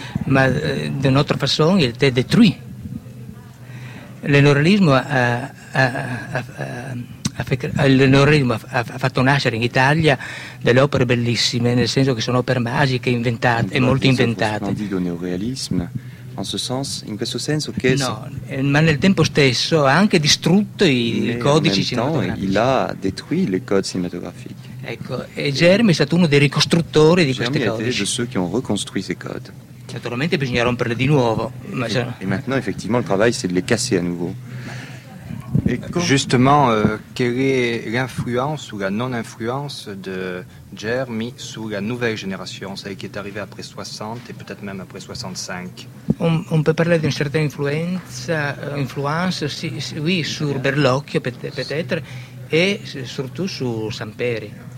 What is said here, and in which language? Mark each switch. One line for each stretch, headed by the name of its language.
French: Mais d'une autre façon, il était détruit.
Italian: Le néoréalisme a fatto nascere in Italia delle opere bellissime, nel senso che sono opere magiche, inventate, molto inventate. Ma dico neorealismo, in questo senso che... No, ma nel tempo stesso ha anche distrutto i codici cinematografici.
French: Il ha détruit les codes cinématographiques.
Italian: Ecco, e Germi è stato uno dei ricostruttori di questi codici. Germi è stato uno dei ricostruttori di questi codici. Naturalmente bisogna romperli di nuovo.
French: E maintenant, effectivement, il travail, c'est de les casser à nouveau. Justement, quelle est l'influence ou la non-influence de Germi sur la nouvelle génération, celle qui est arrivée après 60 et peut-être même après 65? On peut parler d'une certaine influence si, oui, sur Berlocchio peut-être, et surtout sur Samperi.